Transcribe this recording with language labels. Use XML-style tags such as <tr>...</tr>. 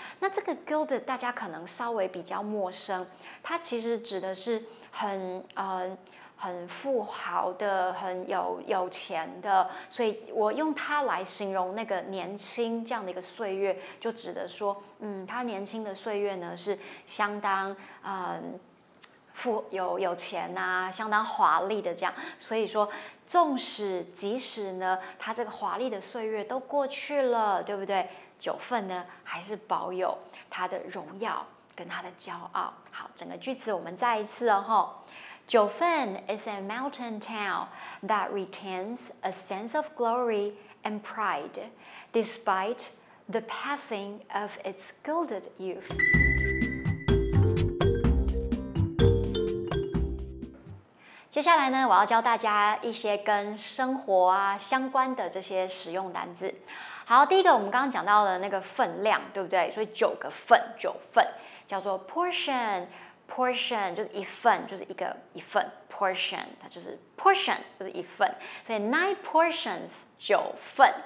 <zh>那这个 gilded 大家可能稍微比较陌生，它其实指的是很富豪的，很有钱的，所以我用它来形容那个年轻这样的一个岁月，就指的说他年轻的岁月呢是相当有钱啊，相当华丽的这样。所以说纵使即使呢他这个华丽的岁月都过去了，对不对，九份呢还是保有他的荣耀跟他的骄傲。好，整个句子我们再一次哦吼。</zh> <en>Jiufen is a mountain town that retains a sense of glory and pride despite the passing of its gilded youth.</en> <zh>接下来呢，我要教大家一些跟生活啊相关的这些使用单字。好，第一个我们刚刚讲到的那个分量，对不对？所以九个份，九份叫做 portion。 Portion 就是一份，就是一个一份。Portion 它就是 portion 就是一份，所以 nine portions 九份。</zh>